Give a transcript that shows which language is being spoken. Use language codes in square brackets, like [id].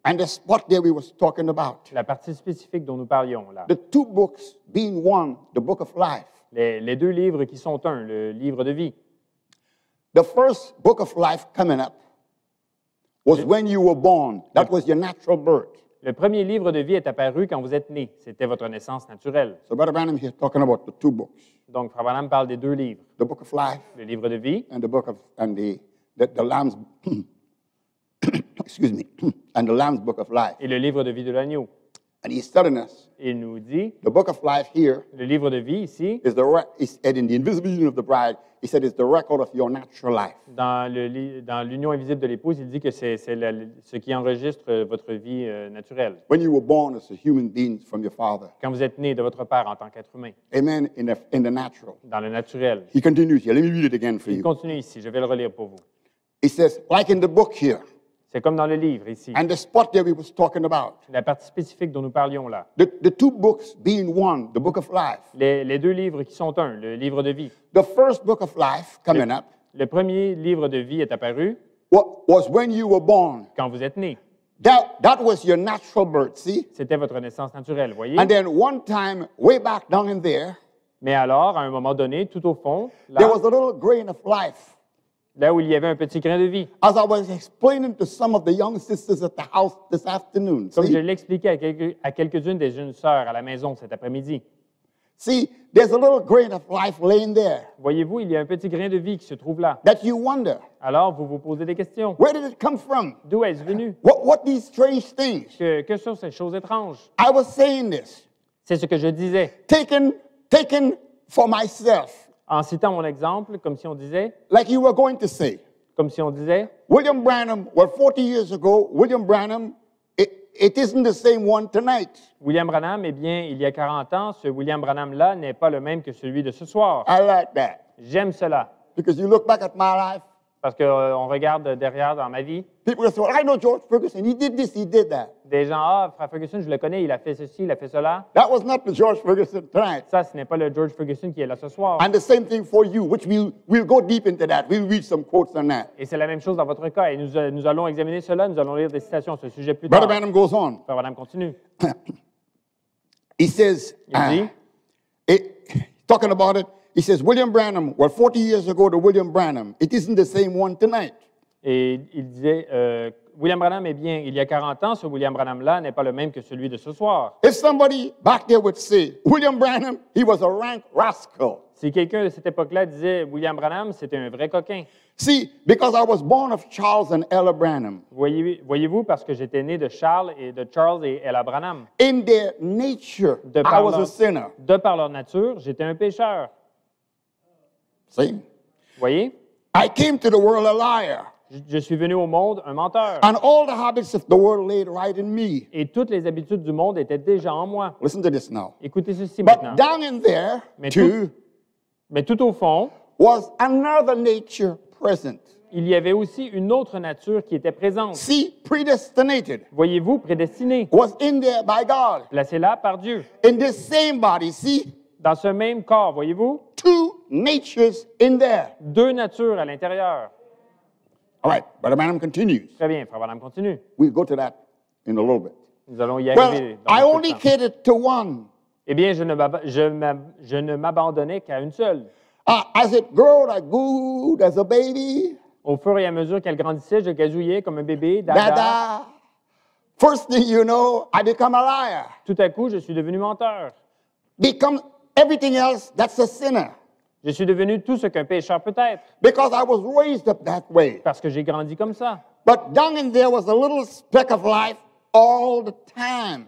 [en] And the spot there we were talking about. [fr] La partie spécifique dont nous parlions là. [en] The two books being one, the book of life. [fr] Les deux livres qui sont un, le livre de vie. [en] The first book of life coming up was when you were born. That was your natural birth. [fr] Le premier livre de vie est apparu quand vous êtes né. C'était votre naissance naturelle. [en] So Brother Branham here talking about the two books. [fr] Donc, Frère Branham parle des deux livres. [en] The book of life. [fr] Le livre de vie. [en] And the book of and the Lamb's excuse me and the Lamb's book of life. [fr] Et le livre de vie de l'agneau. [en] And he's telling us. [fr] Il nous dit. [en] The book of life here. [fr] Le livre de vie ici. [en] Is the said in the invisible union of the bride. He said it's the record of your natural life. [fr] Dans l'union invisible de l'épouse, il dit que c'est ce qui enregistre votre vie naturelle. [en] When you were born as a human being from your father. [fr] Quand vous êtes né de votre père en tant qu'être humain. [en] Amen. In the natural. [fr] Dans le naturel. [en] He continues here. Let me read it again for [fr] il Il continue ici. Je vais le relire pour vous. [en] He says, like in the book here. [fr] C'est comme dans le livre ici. [en] And the spot that we was talking about. [fr] La partie spécifique dont nous parlions là. [en] The two books being one, the book of life. [fr] Les deux livres qui sont un, le livre de vie. [en] The first book of life coming up. [fr] Le premier livre de vie est apparu. [en] Was when you were born. [fr] Quand vous êtes né. [en] That was your natural birth, see? [fr] C'était votre naissance naturelle, voyez? [en] And then one time way back down in there. [fr] Mais alors à un moment donné tout au fond, là, [en] there was a little grain of life. [fr] Là où il y avait un petit grain de vie. [en] As I was explaining to some of the young sisters at the house this afternoon. [fr] Comme je l'expliquais à quelques-unes des jeunes sœurs à la maison cet après-midi. [en] See, there's a little grain of life laying there. [fr] Voyez-vous, il y a un petit grain de vie qui se trouve là. [en] That you wonder. [fr] Alors, vous vous posez des questions. [en] Where did it come from? [fr] D'où est-ce venu? [en] What these strange things? [fr] Que sont ces choses étranges? [en] I was saying this. [fr] C'est ce que je disais. [en] Taken for myself. [fr] En citant mon exemple, comme si on disait, [en] like you were going to say, [fr] comme si on disait, [en] William Branham, well, 40 years ago, William Branham, it isn't the same one tonight. [fr] William Branham, eh bien, il y a 40 ans, ce William Branham-là n'est pas le même que celui de ce soir. [en] I like that. [fr] J'aime cela. [en] Because you look back at my life. [fr] Parce qu'on regarde derrière dans ma vie. [en] People say, well, I know George Ferguson, he did this, he did that. [fr] Des gens, Frère Ferguson, je le connais, il a fait ceci, il a fait cela. [en] That was not the George Ferguson tonight. [fr] Ça, ce n'est pas le George Ferguson qui est là ce soir. [en] And the same thing for you, which we'll go deep into that, we'll read some quotes on that. [fr] Et c'est la même chose dans votre cas, et nous allons examiner cela, nous allons lire des citations sur ce sujet plus [en] Brother [fr] tard. [en] Brother Branham goes on. [fr] Frère Branham continue. [en] He says, talking about it, he says, William Branham, well, 40 years ago, the William Branham, it isn't the same one tonight. [fr] Et il disait, William Branham est bien il y a 40 ans, ce William Branham-là n'est pas le même que celui de ce soir. [en] If somebody back there would say, William Branham, he was a rank rascal. [fr] Si quelqu'un de cette époque-là disait, William Branham, c'était un vrai coquin. [en] See, because I was born of Charles and Ella Branham. [fr] Voyez-vous, parce que j'étais né de Charles et de Charles et Ella Branham. [en] In their nature, I was a sinner. [fr] De par leur nature, j'étais un pécheur. [en] See? [fr] Voyez? [en] I came to the world a liar. [fr] Je suis venu au monde un menteur. [en] And all the habits of the world laid right in me. [fr] Et toutes les habitudes du monde étaient déjà en moi. [en] Listen to this now. [fr] Écoutez ceci [en] but [fr] maintenant. [en] Down in there, [fr] mais tout au fond, [en] was another nature present. [fr] Il y avait aussi une autre nature qui était présente. [en] See, predestinated. [fr] Voyez-vous, prédestiné. [en] Was in there by God. [fr] Placé là par Dieu. [en] In the same body, see? [fr] Dans ce même corps, voyez-vous? [en] Two natures in there. [fr] Deux natures à l'intérieur. [en] All right, Brother Branham continues. [fr] Très bien, Frère Branham continue. [en] We'll go to that in a little bit. [fr] Nous allons y arriver. [en] Well, I only catered to one. [fr] Eh bien, je ne m'abandonnais qu'à une seule. [en] As it grew, I grew as a baby. [fr] Au fur et à mesure qu'elle grandissait, je gazouillais comme un bébé. Dada. [en] First thing you know, I become a liar. [fr] Tout à coup, je suis devenu menteur. [en] Become everything else that's a sinner. [fr] Je suis devenu tout ce qu'un pécheur peut être. [en] Because I was raised up that way. [fr] Parce que j'ai grandi comme ça. [en] But down in there was a little speck of life all the time.